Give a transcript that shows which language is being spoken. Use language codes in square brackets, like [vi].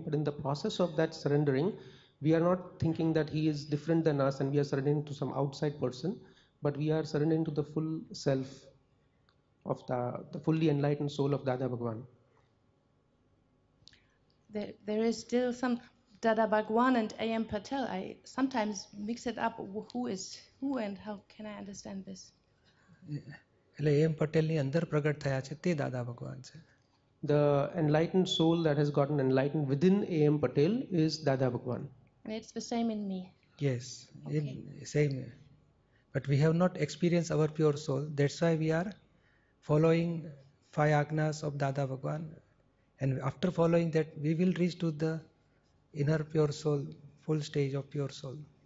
[en] But in the process of that surrendering, we are not thinking that he is different than us and we are surrendering to some outside person, but we are surrendering to the full self of the fully enlightened soul of Dada Bhagwan. There is still some Dada Bhagwan and A.M. Patel. I sometimes mix it up. Who is who and how can I understand this? [gu] એટલે એમ પટેલની અંદર પ્રગટ થયા છે તે દાદા ભગવાન છે. [en] The enlightened soul that has gotten enlightened within A.M. Patel is Dada Bhagwan. And it's the same in me. Yes, okay. Same. But we have not experienced our pure soul. That's why we are following 5 agnas of Dada Bhagwan, and after following that, we will reach to the inner pure soul, full stage of pure soul.